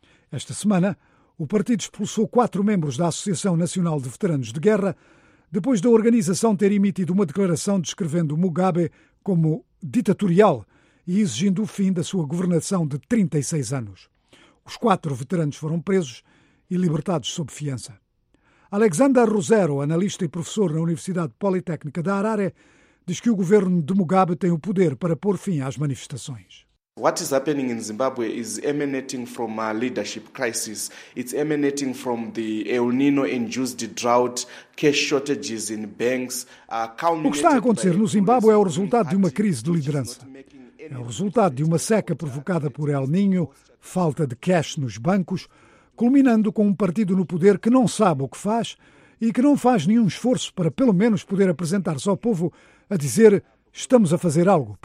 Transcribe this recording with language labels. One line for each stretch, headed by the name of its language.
Portuguese: Esta semana, o partido expulsou 4 membros da Associação Nacional de Veteranos de Guerra, depois da organização ter emitido uma declaração descrevendo Mugabe como ditatorial e exigindo o fim da sua governação de 36 anos. Os 4 veteranos foram presos e libertados sob fiança. Alexander Rosero, analista e professor na Universidade Politécnica da Harare, diz que o governo de Mugabe tem o poder para pôr fim às manifestações.
English: What is happening in Zimbabwe is emanating from a leadership crisis. It's emanating from the El Nino-induced drought, cash shortages in banks.
Portuguese: O que está a acontecer no Zimbabwe é o resultado de uma crise de liderança. É o resultado de uma seca provocada por El Nino, falta de cash nos bancos, culminando com um partido no poder que não sabe o que faz e que não faz nenhum esforço para, pelo menos, poder apresentar-se ao povo a dizer estamos a fazer algo.